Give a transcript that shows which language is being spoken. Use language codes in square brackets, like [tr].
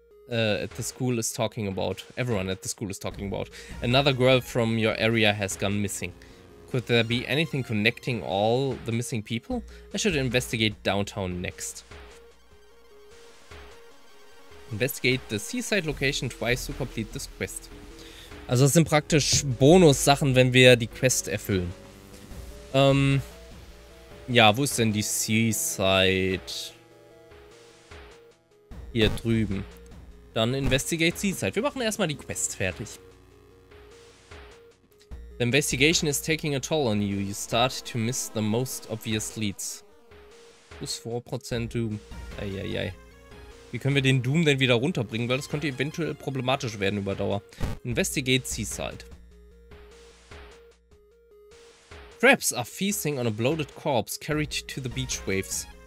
[en] at the school is talking about. Everyone at the school is talking about. Another girl from your area has gone missing. Could there be anything connecting all the missing people? I should investigate downtown next. Investigate the Seaside Location twice to complete this quest. [de] Also das sind praktisch Bonus-Sachen, wenn wir die Quest erfüllen. Ja, wo ist denn die Seaside? Hier drüben. Dann [en] Investigate Seaside. [de] Wir machen erstmal die Quest fertig. [en] The investigation is taking a toll on you. You start to miss the most obvious leads. Plus 4% Doom. Eieiei. [de] Wie können wir den Doom denn wieder runterbringen? Weil das könnte eventuell problematisch werden über Dauer. [en] Investigate Seaside. Crabs are feasting on a bloated corpse carried to the beach waves.